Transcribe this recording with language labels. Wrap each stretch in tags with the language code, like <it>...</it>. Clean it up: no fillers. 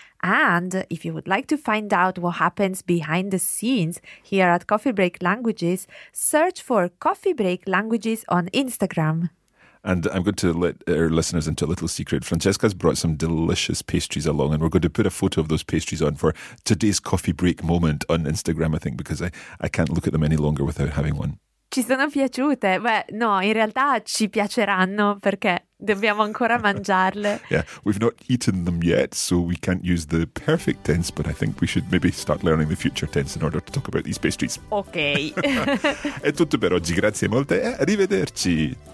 <en>And if you would like to find out what happens behind the scenes here at Coffee Break Languages, search for Coffee Break Languages on Instagram. And I'm going to let our listeners into a little secret. Francesca's brought some delicious pastries along, and we're going to put a photo of those pastries on for today's coffee break moment on Instagram, I think, because I can't look at them any longer without having one.</en> <it>Ci sono piaciute? Beh, no, in realtà ci piaceranno perché dobbiamo ancora mangiarle.</it> <en>Yeah, we've not eaten them yet, so we can't use the perfect tense, but I think we should maybe start learning the future tense in order to talk about these pastries. Okay.</en> <it>È tutto per oggi, grazie molte e arrivederci.</it>